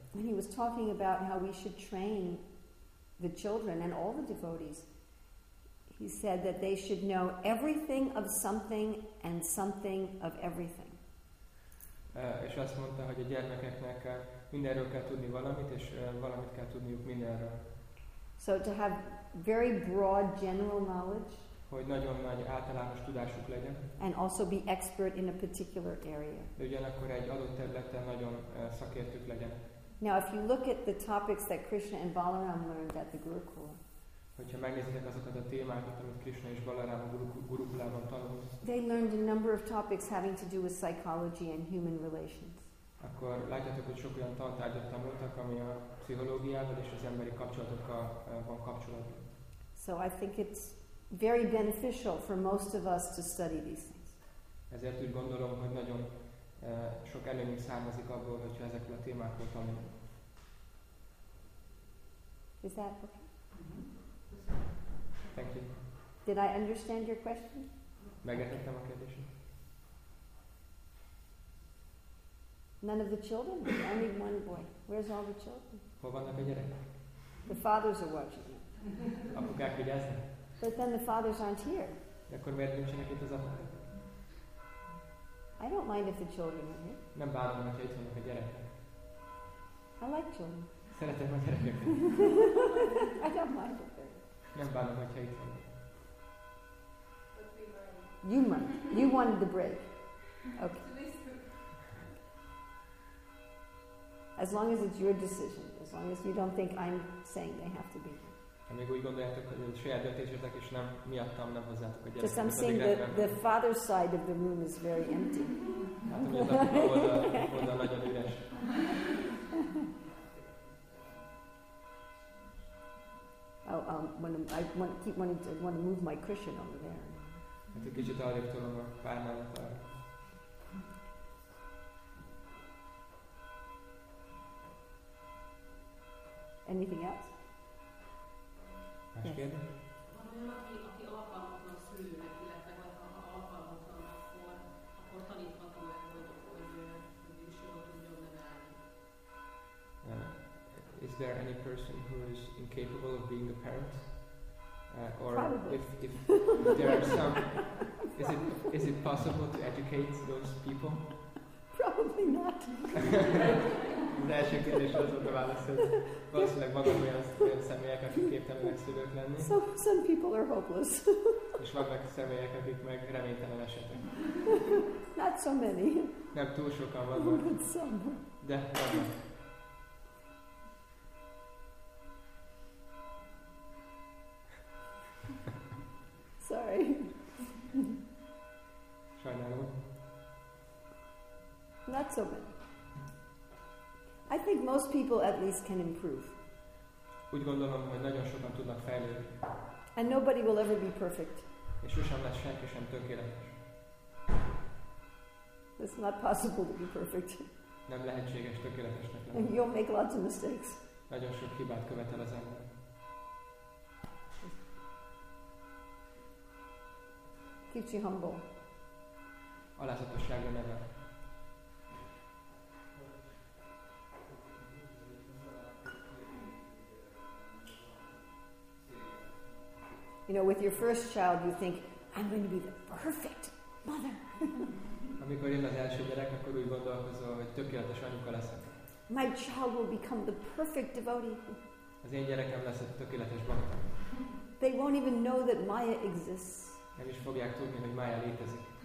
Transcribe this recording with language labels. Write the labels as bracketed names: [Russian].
[English] And he was talking about how we should train the children and all the devotees. He said that they should know everything of something and something of everything. [Hungarian] És azt mondta, hogy a gyermekeknek mindenről kell tudni valamit, és valamit kell tudniuk mindenről. [English] So to have very broad general knowledge. [Hungarian] Hogy nagyon nagy általános tudásuk legyen. [English] And also be expert in a particular area. [Hungarian] De ugyanakkor egy adott területen nagyon szakértők legyen. [English] Now if you look at the topics that Krishna and Balaram learned at the Gurukula. [Hungarian] Hogyha megnézitek azokat a témákat, amit Krishna és Balaram a Gurukulában tanult. [English] They learned a number of topics having to do with psychology and human relations. [Hungarian] Akkor látjátok, hogy sok olyan tantárgyat tanultak, ami a pszichológiával és az emberi kapcsolatokkal van kapcsolatban. [English] So I think it's very beneficial for most of us to study these things. [Hungarian] Ezért úgy gondolom, hogy nagyon sok előnyünk származik abból, hogyha ezekről a témákról tanulunk. [English] Is that okay? Mm-hmm. Thank you. Did I understand your question? [Hungarian] Megértettem a kérdésed. [English] None of the children? Only one boy. Where's all the children? [Hungarian] Hol vannak a gyerekek? [English] The fathers are watching. [Hungarian] Apukák vigyáznak. [English] But then the fathers aren't here. [Hungarian] De akkor miért nincsenek itt az apukák? [English] I don't mind if the children are here. [Hungarian] Nem bánom, hogy itt vannak a gyerekek. [English] I like children. [Hungarian] Szeretem a gyerekeket. [English] I don't mind if they're. [Hungarian] Nem bánom, hogyha itt van. [English] You might. You wanted the break. Okay. As long as it's your decision. As long as you don't think I'm saying they have to be. [Hungarian] Amíg úgy gondoljátok, hogy a saját döntésetek is nem miattam, nem hozzátok a gyerekeket. [English] Just I'm saying the father's side of the room is very empty. [Hungarian] Hát, hogy az apuka oldal nagyon üres. [English] Oh, I want to move my cushion over there. [Hungarian] Egy kicsit arrébb tolom a párnámat arra. [English] Anything else? [Hungarian] Más kérdés? Van olyan, aki alkalmatlan szülőnek, illetve ha alkalmatlan, akkor tanítható hogy ő is jól tudjon nevelni. [English] Is there any person who is incapable of being a parent? Or probably. If there are some, is it possible to educate those people? Probably not. [Hungarian] Az első kérdés az volt a válasz, hogy valószínűleg vannak olyan személyek, akik képtelenek szülők lenni. [English] Some people are hopeless. [Hungarian] És vannak személyek, akik meg reménytelen esetek. [English] Not so many. [Hungarian] Nem túl sokan vannak. [English] But some. [Hungarian] De vannak. [English] Sorry. [Hungarian] Sajnálom. [English] Not so many. I think most people at least can improve. [Hungarian] Úgy gondolom, hogy nagyon sokan tudnak fejlődni. [English] And nobody will ever be perfect. [Hungarian] És sosem lesz senki sem tökéletes. [English] It's not possible to be perfect. [Hungarian] Nem lehetséges tökéletesnek lenni. [English] And you'll make lots of mistakes. [Hungarian] Nagyon sok hibát követel az ember. [English] Keeps you humble. [Hungarian] Alázatosságra nevel. [English] You know, with your first child, you think, I'm going to be the perfect mother. [Hungarian] Amikor jön az első gyerek, akkor úgy gondolkozol, hogy tökéletes anyuka leszek. [English] My child will become the perfect devotee. [Hungarian] Az én gyerekem lesz a tökéletes bhakta. [English] They won't even know that Maya exists. [Hungarian] Nem is fogják tudni, hogy Maya létezik.